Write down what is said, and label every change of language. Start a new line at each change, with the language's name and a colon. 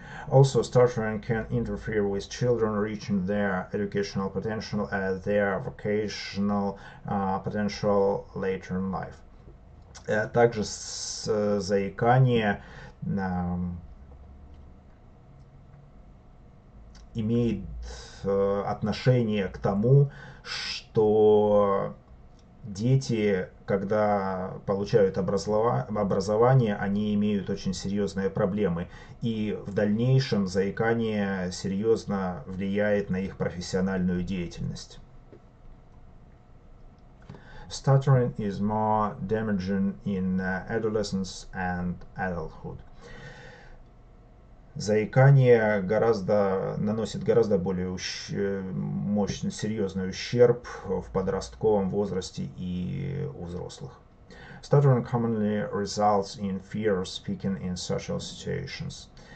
English: Also, stuttering can interfere with children reaching their educational potential and their vocational potential later in life.
Russian: Также заикание имеет отношение к тому, что дети, когда получают образование, они имеют очень серьезные проблемы, и в дальнейшем заикание серьезно влияет на их профессиональную деятельность.
English: Stuttering is more damaging in adolescence and adulthood.
Russian: Заикание наносит гораздо более мощный, серьезный ущерб в подростковом возрасте и у взрослых.
English: Stuttering commonly results in fear of speaking in social situations.